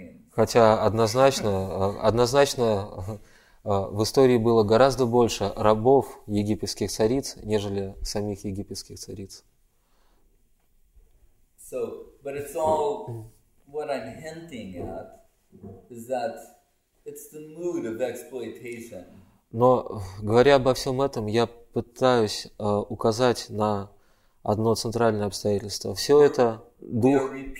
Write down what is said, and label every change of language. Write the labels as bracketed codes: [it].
[ru] Хотя однозначно в истории было гораздо больше рабов египетских цариц, нежели самих египетских цариц. [en] So, but it's all what I'm hinting at is that it's the mood of exploitation. [ru] Но, говоря обо всем этом, я пытаюсь указать на одно центральное обстоятельство. Все это дух...